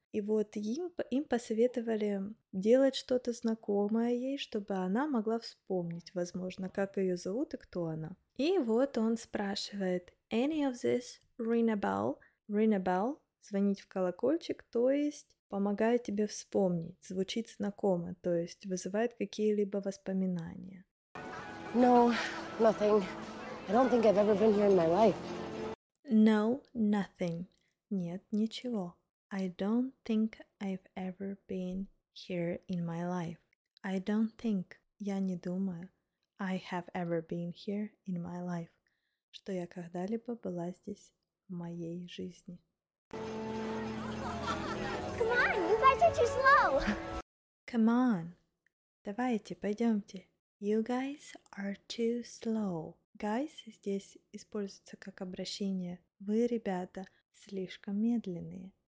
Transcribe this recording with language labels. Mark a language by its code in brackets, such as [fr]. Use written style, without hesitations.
[ru] И вот им посоветовали делать что-то знакомое ей, чтобы она могла вспомнить, возможно, как ее зовут и кто она. И вот он спрашивает, [en] any of this ring a bell? Ring a bell, [ru] звонить в колокольчик, то есть помогает тебе вспомнить, звучит знакомо, то есть вызывает какие-либо воспоминания. [en] No, nothing. I don't think I've ever been here in my life. No, nothing. [ru] Нет, ничего. [en] I don't think I've ever been here in my life. I don't think. [ru] Я не думаю. [en] I have ever been here in my life. [ru] Что я когда-либо была здесь в моей жизни. [en] Come on, you guys are too slow. Come on. [ru] Давайте, пойдемте. [en] You guys are too slow. [ru] Guys здесь используется как обращение. Вы, ребята, слишком медленные.